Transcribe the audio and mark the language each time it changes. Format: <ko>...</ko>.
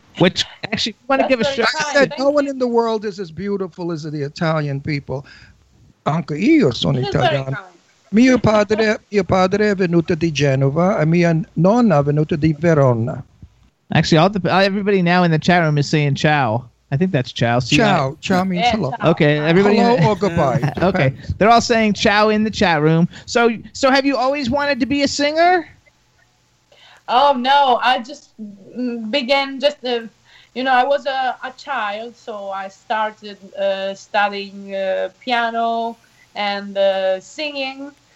<en>Which actually, I want to give a shout. No one in the world is as beautiful as the Italian people.</en> <it>Anche io sono italiano. Mio padre, è venuto di Genova, e mia nonna è venuta di Verona.</it> <en>Actually, all the everybody now in the chat room is saying ciao. I think that's ciao. So ciao. You know, ciao means yeah, hello. Okay, everybody. Hello or goodbye. Okay, they're all saying ciao in the chat room. So have you always wanted to be a singer? Oh, no. I just began just, you know, I was a child, so I started studying piano and singing.</en>